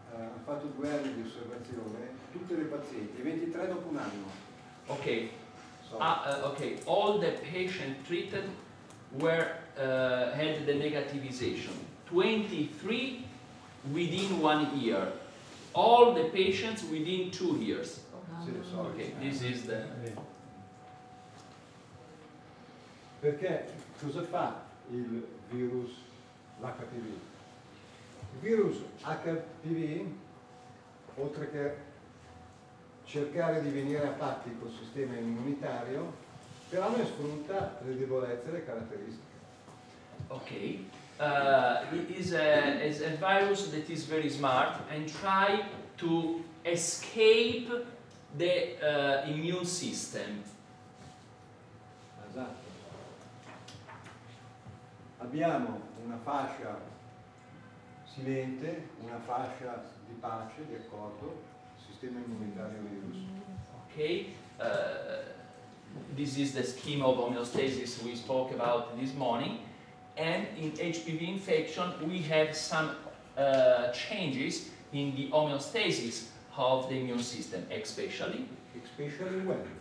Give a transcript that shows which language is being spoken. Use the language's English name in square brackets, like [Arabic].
[Italian] Ha fatto 2 anni di osservazione tutte le pazienti, 23 dopo un anno. Ok. Okay. [English] All the patients treated were had the negativization. 23 within 1 year. All the patients within 2 years. Okay, this is the. [Italian] Perché cosa fa il virus l'HPV? Il virus HPV, oltre che cercare di venire a patti col sistema immunitario, però non sfrutta le debolezze e le caratteristiche. Ok. [English] It is a virus that is very smart and try to escape the immune system. [Italian] Esatto. Abbiamo una fascia silente, una fascia di pace, di accordo, sistema immunitario virus. Ok. [English] This is the scheme of homeostasis we spoke about this morning. And in HPV infection, we have some changes in the homeostasis of the immune system, especially. Especially when?